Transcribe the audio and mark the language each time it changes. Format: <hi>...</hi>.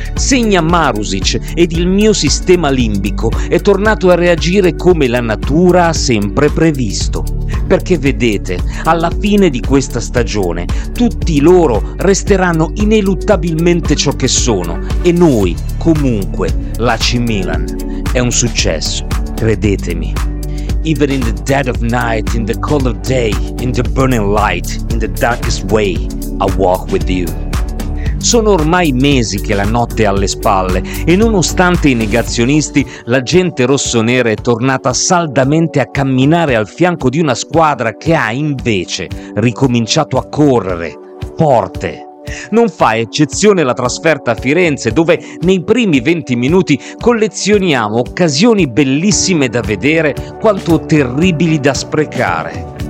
<it>Segna Marusic ed il mio sistema limbico è tornato a reagire come la natura ha sempre previsto. Perché vedete, alla fine di questa stagione, tutti loro resteranno ineluttabilmente ciò che sono e noi, comunque, l'AC Milan. È un successo, credetemi.</it> <en>Even in the dead of night, in the cold of day, in the burning light, in the darkest way, I walk with you.</en> <it>Sono ormai mesi che la notte è alle spalle e nonostante i negazionisti, la gente rossonera è tornata saldamente a camminare al fianco di una squadra che ha invece ricominciato a correre, forte. Non fa eccezione la trasferta a Firenze, dove nei primi 20 minuti collezioniamo occasioni bellissime da vedere quanto terribili da sprecare.</it>